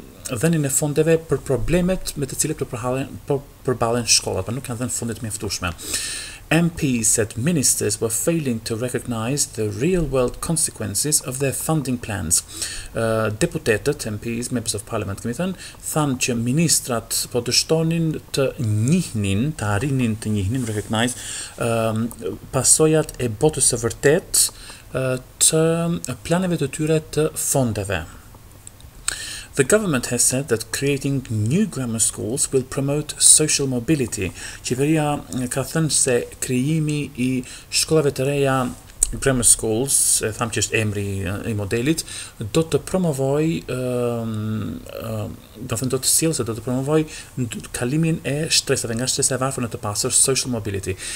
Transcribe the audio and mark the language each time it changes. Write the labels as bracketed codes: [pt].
[sq] dhënien e fondeve për problemet me të cilët përballen shkollat, por nuk kanë dhënë fondet mjaftueshme. [en] MPs said ministers were failing to recognize the real-world consequences of their funding plans. [sq] Deputetët, [en] MPs, members of parliament, [sq] kemi thënë, thanë që ministrat po dështonin të njihnin, të arrinin të njihnin, [en] recognize, [sq] pasojat e botës së vërtet të planeve të tyre të fondeve. [en] The government has said that creating new grammar schools will promote social mobility. [sq] Qeveria ka thënë se krijimi I shkollave të reja [en] grammar schools, [sq] e tham që është emri I modelit, do të promovojë, do të thënë do të sjellë se do të promovojë kalimin e stresave nga stresa e varfër në të pasur [en] social mobility.